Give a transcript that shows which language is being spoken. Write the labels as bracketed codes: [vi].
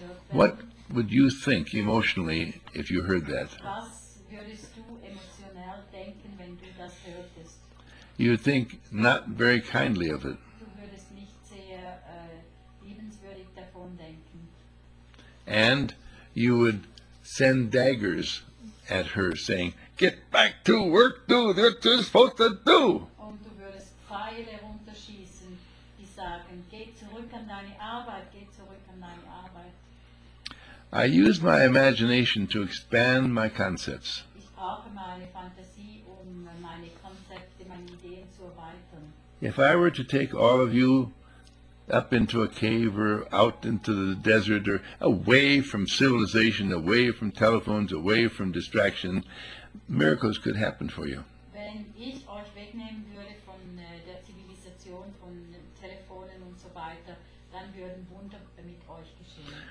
[en] What would you think emotionally if you heard that? [de] Was würdest du emotional denken, wenn du das hörtest? [en] You would think not very kindly of it. [de] Du würdest nicht sehr liebenswürdig davon denken. [en] And you would send daggers at her saying, get back to work, do what you're supposed to do. [de] Und du würdest Pfeile runterschießen, die sagen, geh zurück an deine Arbeit, geh zurück an deine Arbeit. [en] I use my imagination to expand my concepts. [de] Ich brauche meine Fantasie, meine Konzepte, meine Ideen zu erweitern. [en] If I were to take all of you up into a cave or out into the desert or away from civilization, away from telephones, away from distraction, miracles could happen for you. [de] Wenn ich euch wegnehmen würde von der Zivilisation, von Telefonen und so weiter, dann würden Wunder mit euch geschehen.